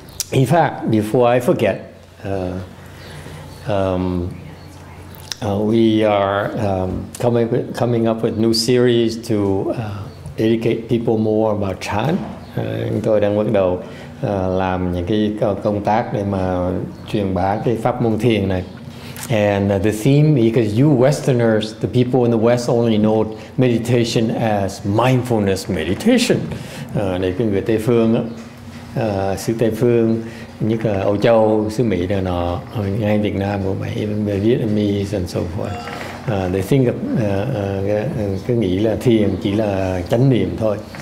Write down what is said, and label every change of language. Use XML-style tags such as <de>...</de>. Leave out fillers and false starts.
<en>In fact, before I forget, we are coming up with new series to educate people more about Chan.</en> <vi>Chúng tôi đang bắt đầu làm những cái công tác để mà truyền bá cái pháp môn thiền này.</vi> <en>And the theme, because you Westerners, the people in the West only know meditation as mindfulness meditation.</en> <vi>Để cái người Tây Phương á, sư Tây Phương, như là Âu Châu, xứ Mỹ rồi nọ, ngay Việt Nam của Mỹ,</vi> <en>Vietnamese and so forth. They think of,</en> <vi>cứ nghĩ là thiền chỉ là chánh niệm thôi.</vi>